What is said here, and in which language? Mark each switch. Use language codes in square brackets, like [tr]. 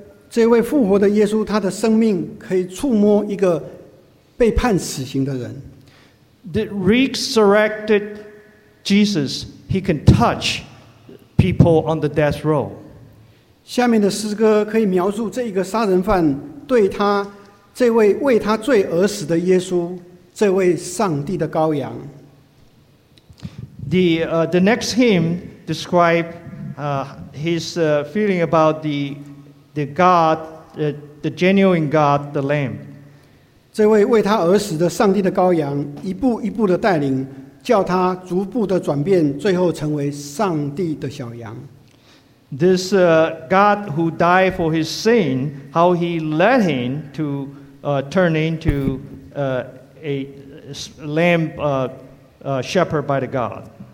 [zh] 这位复活的耶稣，他的生命可以触摸一个被判死刑的人。 [en] The resurrected Jesus, he can touch people on the death row. [zh] 下面的诗歌可以描述这一个杀人犯对他这位为他罪而死的耶稣，这位上帝的羔羊。 [en] The next hymn describes his feeling about the God, the genuine God, the Lamb. [zh] 这位为他而死的上帝的羔羊，一步一步的带领，叫他逐步的转变，最后成为上帝的小羊。 [en] This God who died for his sin, how he led him to turn into a lamb shepherd by the God.